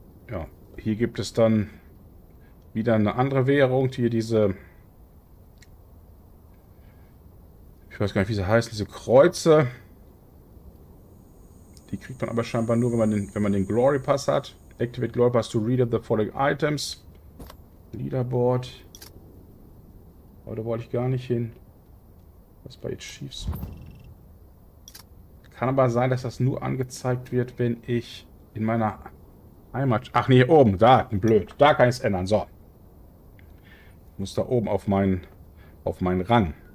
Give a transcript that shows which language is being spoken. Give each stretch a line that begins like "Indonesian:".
German: Ja, hier gibt es dann wieder eine andere Währung. Hier diese... Ich weiß gar nicht, wie sie heißen. Diese Kreuze. Die kriegt man aber scheinbar nur, wenn man den Glory Pass hat.
English: Activate Glory Pass to read the following items.
German: Leaderboard. Aber da wollte ich gar nicht hin. Was bei Achieves? Kann aber sein, dass das nur angezeigt wird, wenn ich in meiner Heimat... Ach nee, hier oben, da, blöd. Da kann ich es ändern, so. Muss da oben auf meinen Rang.